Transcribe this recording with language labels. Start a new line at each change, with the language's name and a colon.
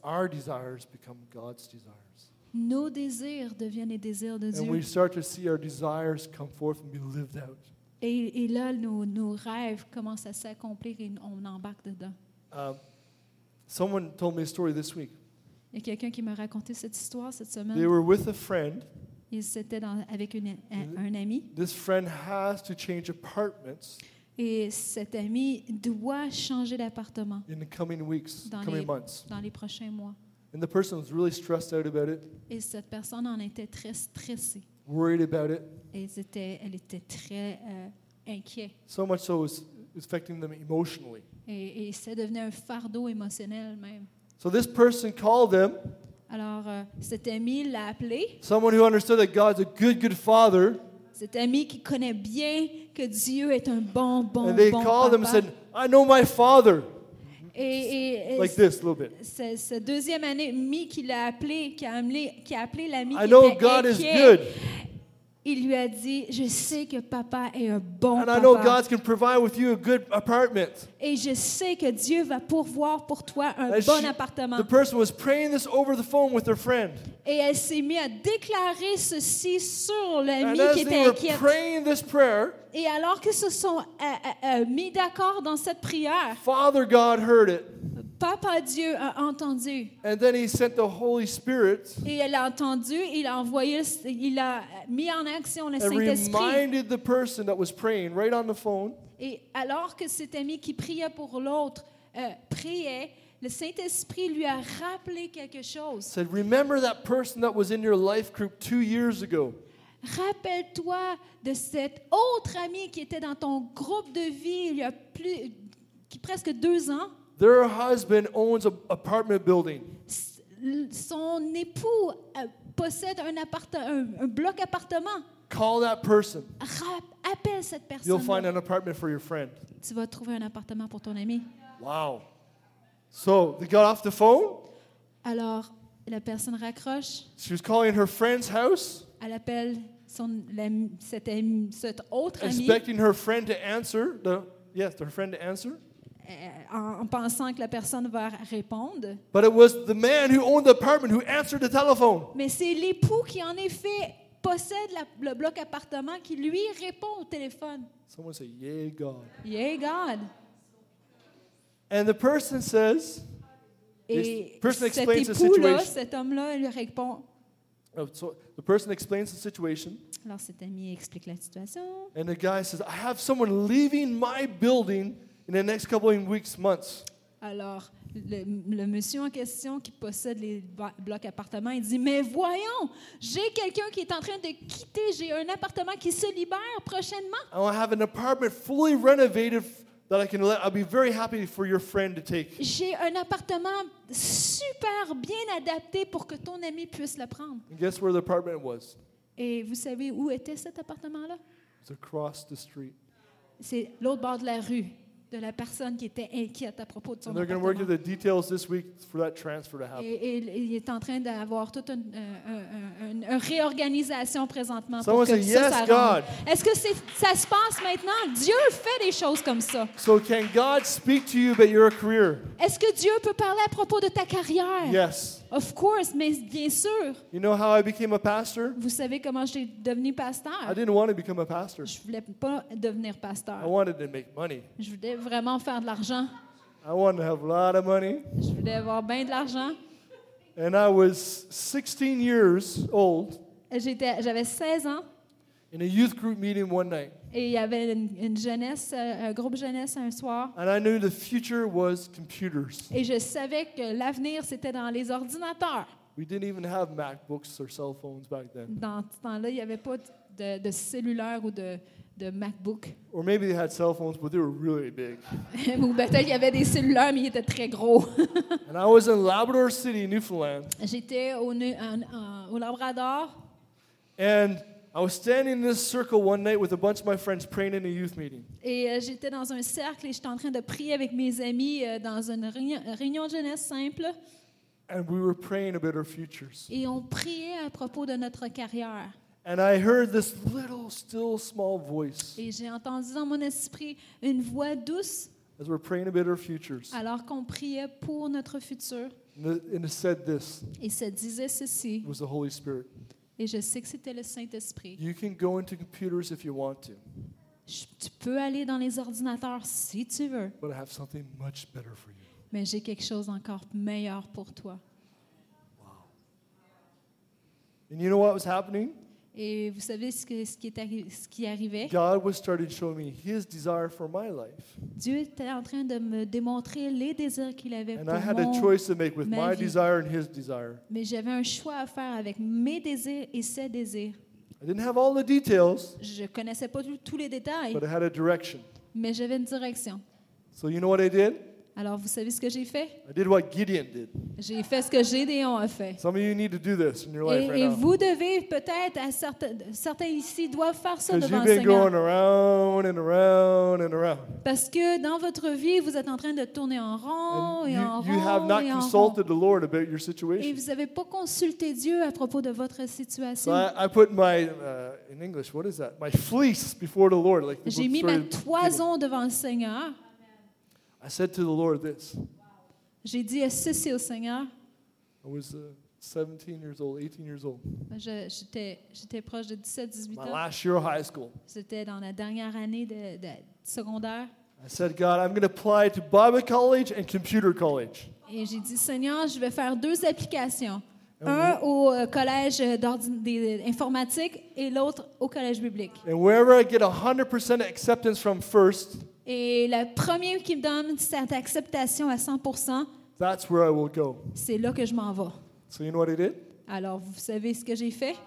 English: Our desires become God's desires.
French: Nos désirs deviennent les désirs de Dieu.
English: And we start to see our desires come forth and be lived out.
French: Et là, nos rêves commencent à s'accomplir et on embarque dedans.
English: Someone told me a story this week.
French: Il y a quelqu'un qui m'a raconté cette histoire cette semaine.
English: They were with a friend.
French: Il s'était avec un ami.
English: This friend has to change apartments.
French: Et cet ami doit changer d'appartement.
English: In the coming weeks, months.
French: Dans les prochains mois.
English: And the person was really stressed out about it.
French: Et cette personne en était très stressée.
English: Worried about it.
French: Elle était très inquiète.
English: So much so, it was affecting them emotionally.
French: Et c'est devenu un fardeau émotionnel même.
English: So this person called him.
French: Alors cet ami l'a appelé.
English: Someone who understood that God's a good, good father.
French: Cet ami qui connaît bien que Dieu est un bon, bon, bon
English: papa. And they called him and said, "I know my father."
French: Et
English: like this, a little bit.
French: Ce deuxième ami qui a appelé l'ami.
English: I know God is good.
French: Il lui a dit, je sais que papa est un bon
English: and
French: papa.
English: I know God can provide with you a good apartment.
French: Et je sais que Dieu va pourvoir pour toi un
English: and
French: bon
English: she,
French: appartement.
English: The person was praying this over the phone with her friend.
French: Et elle s'est mise à déclarer ceci sur l'ami
English: and
French: qui était
English: they
French: inquiète.
English: Were praying this prayer,
French: et alors que se sont mis d'accord dans cette prière,
English: Father God heard it.
French: Papa Dieu a entendu.
English: And then he sent the Holy Spirit.
French: Et elle a entendu, il a envoyé, il a mis en action le Saint-Esprit.
English: And reminded the person that was praying right on the phone.
French: Et alors que cet ami qui priait pour l'autre priait, le Saint-Esprit lui a rappelé quelque chose.
English: Said, remember that person that was in your life group 2 years ago.
French: Rappelle-toi de cet autre ami qui était dans ton groupe de vie il y a plus, qui presque 2 ans.
English: Their husband owns an apartment building.
French: Son époux possède un bloc appartement.
English: Call that person.
French: Appelle cette personne.
English: You'll find an apartment for your friend.
French: Tu vas trouver un appartement pour ton ami.
English: Wow. So they got off the phone.
French: Alors la personne raccroche.
English: She was calling her friend's house.
French: Elle appelle cet autre ami.
English: Expecting her friend to answer. Her friend to answer.
French: En pensant que la personne va répondre.
English: But it was the man who owned the apartment who answered the telephone.
French: Mais c'est l'époux qui en effet possède le bloc appartement qui lui répond au téléphone.
English: Someone say, "Yay God." Yay God. And the person says.
French: Et
English: the person explains
French: cet
English: the situation.
French: Cet homme-là, il lui répond.
English: So the person explains the situation.
French: Alors cet ami explique la situation.
English: And the guy says, "I have someone leaving my building." In the next couple of weeks, months.
French: Alors, le monsieur en question qui possède les blocs appartements, il dit, mais voyons, j'ai quelqu'un qui est en train de quitter, j'ai un appartement qui se libère prochainement.
English: I have an apartment fully renovated that I can let. I'll be very happy for your friend to take.
French: J'ai un appartement super bien adapté pour que ton ami puisse le prendre.
English: And guess where the apartment was?
French: Et vous savez où était cet appartement-là?
English: It's across the street.
French: C'est l'autre bord de la rue. De la personne qui était inquiète à propos de son appartement.
English: They're going to work on the details this week for that transfer to happen.
French: Et il est en train d'avoir toute une réorganisation présentement.
English: Someone
French: pour que
English: said,
French: ça,
English: yes, God.
French: Est-ce que ça se passe maintenant? Dieu fait des choses comme ça.
English: So can God speak to you about your career?
French: Est-ce que Dieu peut parler à propos de ta carrière?
English: Yes. Of course,
French: mais bien sûr.
English: You know how I became a pastor?
French: Vous savez comment j'ai devenu pasteur?
English: I didn't want to become a pastor.
French: Je voulais pas devenir pasteur.
English: I wanted to make money.
French: Je voulais vraiment faire de l'argent.
English: I wanted to have a lot of money.
French: Je voulais avoir bien de l'argent.
English: And I was 16 years old.
French: J'avais 16 ans.
English: In a youth group meeting one night.
French: Et il y avait une jeunesse, un groupe jeunesse un soir.
English: And I knew the future was computers.
French: Et je savais que l'avenir, c'était dans les ordinateurs.
English: We didn't even have MacBooks or cell phones back then.
French: Dans ce temps-là, il n'y avait pas de cellulaire ou de MacBook.
English: Or maybe they had cell phones, but they were really big.
French: Ou peut-être qu'il y avait des cellulaires, mais ils étaient très gros.
English: And I was in Labrador City, Newfoundland.
French: J'étais au Labrador.
English: And I was standing in this circle one night with a bunch of my friends praying in a youth meeting.
French: Et j'étais dans un cercle et j'étais en train de prier avec mes amis dans une réunion de jeunesse simple.
English: And we were praying about our futures.
French: Et on priait à propos de notre carrière.
English: And I heard this little, still, small voice.
French: Et j'ai entendu dans mon esprit une voix douce.
English: As we're praying about our futures.
French: Alors qu'on priait pour notre futur.
English: And it said this.
French: Et ça disait ceci.
English: It was the Holy Spirit.
French: Et je sais que c'était le Saint-Esprit.
English: You can go into computers if you want to.
French: Tu peux aller dans les ordinateurs si tu veux.
English: But I have something much better for you.
French: Mais j'ai quelque chose encore meilleur pour toi.
English: Wow. And you know what was happening?
French: Et vous savez ce qui arrivait?
English: God was starting to show me His desire for my life.
French: Dieu était en train de me démontrer les désirs qu'il avait
English: and
French: pour
English: I had a choice to make with my desire and His desire.
French: Mais j'avais un choix à faire avec mes désirs et ses désirs.
English: I didn't have all the details.
French: Je connaissais pas tous les détails.
English: But I had a direction.
French: mais j'avais une direction.
English: So you know what I did?
French: Alors, vous savez ce que j'ai fait?
English: I did what Gideon did.
French: J'ai fait ce que Gédéon a fait.
English: Some of you need to do this in your
French: et,
English: life right now.
French: Et vous devez peut-être, à certains ici doivent faire ça devant le Seigneur.
English: you've been going around and around and around.
French: Parce que dans votre vie, vous êtes en train de tourner en rond
English: and
French: et en
English: you,
French: rond
English: you have not
French: et en
English: consulted
French: rond.
English: The Lord about your situation.
French: Et vous n'avez pas consulté Dieu à propos de votre situation.
English: So I put my, in English, what is that? My fleece before the Lord. Like
French: j'ai mis ma toison devant le Seigneur.
English: I said to the Lord this.
French: J'ai dit ceci au Seigneur.
English: I was 17 years old, 18 years old.
French: J'étais proche de 17-18 ans.
English: My last year of high school.
French: C'était dans la dernière année de secondaire.
English: I said, God, I'm going to apply to Bible college and computer college.
French: Et j'ai dit Seigneur, je vais faire deux applications. Un au collège d'informatique et l'autre au collège biblique.
English: And wherever I get 100% acceptance from first.
French: Et le premier qui me donne cette acceptation à 100%,
English: that's where I will go.
French: C'est là que je m'en vais.
English: So you know what I did?
French: Alors, vous savez ce que j'ai fait?